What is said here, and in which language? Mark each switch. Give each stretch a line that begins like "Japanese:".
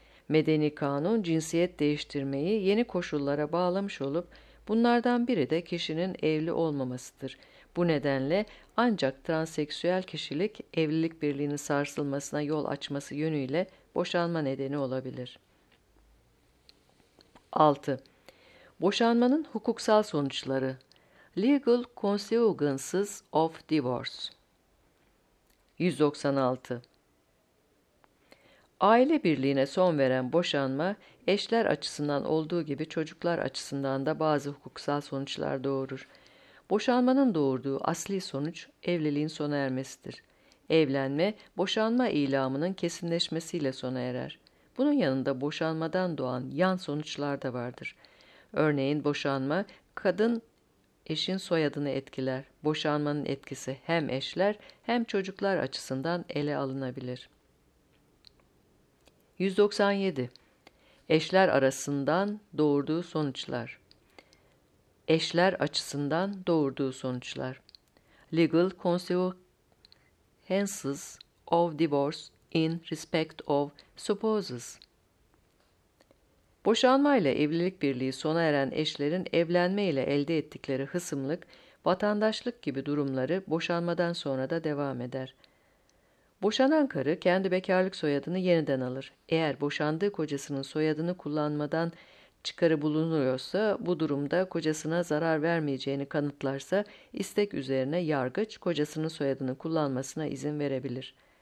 Turkish: Medeni kanun cinsiyet değiştirmeyi yeni koşullara bağlamış olup bunlardan biri de kişinin evli olmamasıdır. Bu nedenle ancak transseksüel kişilik evlilik birliğinin sarsılmasına yol açması yönüyle boşanma nedeni olabilir. 6. Boşanmanın hukuksal sonuçları.
English: Legal consequences of divorce. 196.
Turkish: Aile birliğine son veren boşanma, eşler açısından olduğu gibi çocuklar açısından da bazı hukuksal sonuçlar doğurur. Boşanmanın doğurduğu asli sonuç, evliliğin sona ermesidir. Evlenme, boşanma ilamının kesinleşmesiyle sona erer. Bunun yanında boşanmadan doğan yan sonuçlar da vardır. Örneğin boşanma, kadın eşin soyadını etkiler. Boşanmanın etkisi hem eşler hem çocuklar açısından ele alınabilir. 197. Eşler arasından doğurduğu sonuçlar. Eşler açısından doğurduğu sonuçlar.
English: Legal consequences of divorce in respect of spouses.
Turkish: Boşanmayla evlilik birliği sona eren eşlerin evlenmeyle elde ettikleri hısımlık, vatandaşlık gibi durumları boşanmadan sonra da devam eder. Boşanan karı kendi bekarlık soyadını yeniden alır. Eğer boşandığı kocasının soyadını kullanmadan çıkarı bulunuyorsa, bu durumda kocasına zarar vermeyeceğini kanıtlarsa, istek üzerine yargıç kocasının soyadını kullanmasına izin verebilir.